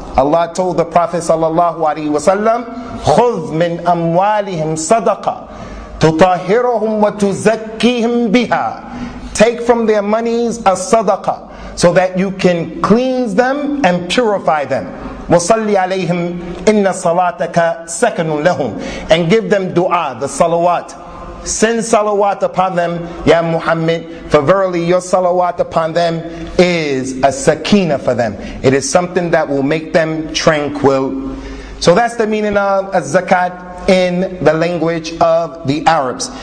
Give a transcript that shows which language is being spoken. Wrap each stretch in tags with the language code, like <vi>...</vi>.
<en>Allah told the Prophet sallallahu alaihi wasallam,</en> <ar>خذ من أموالهم صدقة تطهرهم وتزكيهم بها.</ar> <en>Take from their monies a sadaqa, so that you can cleanse them and purify them.</en> <ar>وصلي عليهم إن صلاتك سكن لهم.</ar> <en>And give them dua, the salawat. Send salawat upon them, Ya Muhammad, for verily your salawat upon them is a sakina for them. It is something that will make them tranquil. So that's the meaning of a zakat in the language of the Arabs.</en>